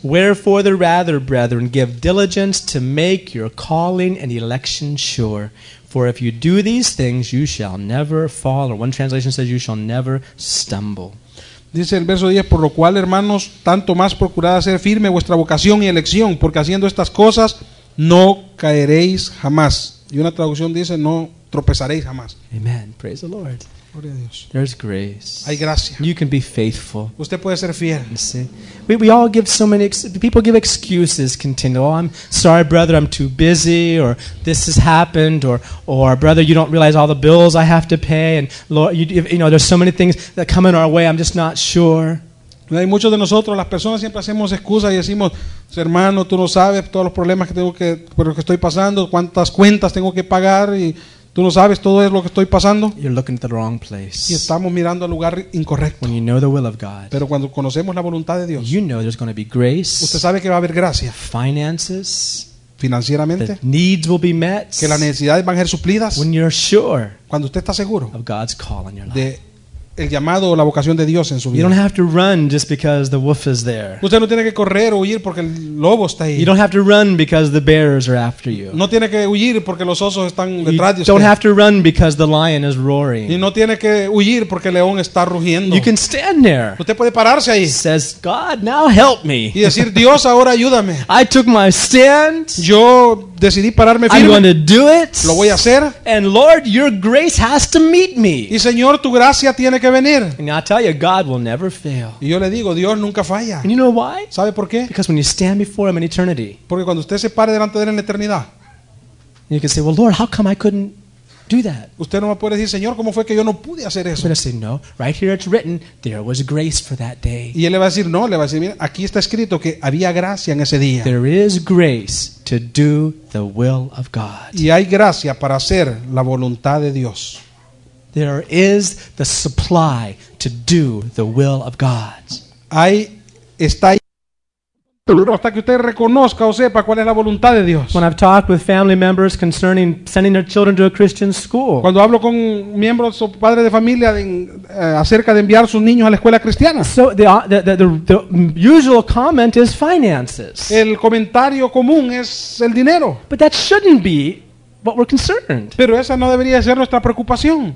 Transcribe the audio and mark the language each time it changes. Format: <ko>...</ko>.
<en>Wherefore the rather, brethren, give diligence to make your calling and election sure. For if you do these things, you shall never fall. Or one translation says, you shall never stumble.</en> <es>Dice el verso 10, por lo cual, hermanos, tanto más procurad hacer firme vuestra vocación y elección, porque haciendo estas cosas, no caeréis jamás. Y una traducción dice, no tropezaréis jamás.</es> <en>Amen. Praise the Lord. There's grace.</en> <es>Hay gracia.</es> <en>You can be faithful.</en> <es>Usted puede ser fiel.</es> <en>We all give so many people give excuses continually. Oh, I'm sorry, brother, I'm too busy, or this has happened, or brother, you don't realize all the bills I have to pay, and Lord, you know, there's so many things that come in our way. I'm just not sure.</en> <es>Hay muchos de nosotros, las personas siempre hacemos excusas y decimos, hermano, tú no sabes todos los problemas que tengo que por lo que estoy pasando, cuántas cuentas tengo que pagar y tú no sabes todo es lo que estoy pasando.</es> <en>You're looking at the wrong place.</en> <es>Y estamos mirando al lugar incorrecto.</es> <en>When you know the will of God.</en> <es>Pero cuando conocemos la voluntad de Dios.</es> <en>You know there's going to be grace.</en> <es>Usted sabe que va a haber gracia.</es> <en>Finances.</en> <es>Financieramente.</es> <en>The needs will be met.</en> <es>Que las necesidades van a ser suplidas.</es> <en>When you're sure.</en> <es>Cuando usted está seguro.</es> <en>Of God's call in your life.</en> <es>De el llamado o la vocación de Dios en su vida.</es> <en>You don't have to run just because the wolf is there.</en> <es>Usted no tiene que correr o huir porque el lobo está ahí.</es> <en>You don't have to run because the bears are after you.</en> <es>No tiene que huir porque los osos están</es> <en>you</en> <es>detrás de usted.</es> <en>Don't have to run because the lion is roaring.</en> <es>Y no tiene que huir porque el león está rugiendo.</es> <en>You can stand there.</en> <es>Usted puede pararse ahí.</es> <en>Says, God, now help me.</en> <es>Y decir, Dios, ahora ayúdame.</es> <en>I took my stand.</en> <es>Yo decidí pararme firme.</es> <en>I'm going to do it.</en> <es>Lo voy a hacer.</es> <en>And Lord, your grace has to meet me.</en> <es>Y Señor, tu gracia tiene que venir.</es> <en>And I tell you, God will never fail.</en> <es>Y yo le digo, Dios nunca falla.</es> <en>And you know why?</en> <es>¿Sabe por qué?</es> <en>Because when you stand before him in eternity.</en> <es>Porque cuando usted se pare delante de él en la eternidad.</es> <en>You can say, well, Lord, how come I couldn't do that?</en> <es>Usted no va a poder decir, Señor, ¿cómo fue que yo no pude hacer eso?</es> <en>He's going to say, no, right here it's written, there was grace for that day.</en> <es>Y él le va a decir, no, le va a decir, mira, aquí está escrito que había gracia en ese día.</es> <en>There is grace to do the will of God.</en> <es>Y hay gracia para hacer la voluntad de Dios.</es> <en>There is the supply to do the will of God.</en> <es>Ahí está ahí. Hasta que usted reconozca o sepa cuál es la voluntad de Dios.</es> <en>When I've talked with family members concerning sending their children to a Christian school.</en> <es>Cuando hablo con miembros o padres de familia acerca de enviar sus niños a la escuela cristiana.</es> <en>So the usual comment is finances.</en> <es>El comentario común es el dinero.</es> <en>But that shouldn't be what we're concerned.</en> <es>Pero esa no debería ser nuestra preocupación.</es>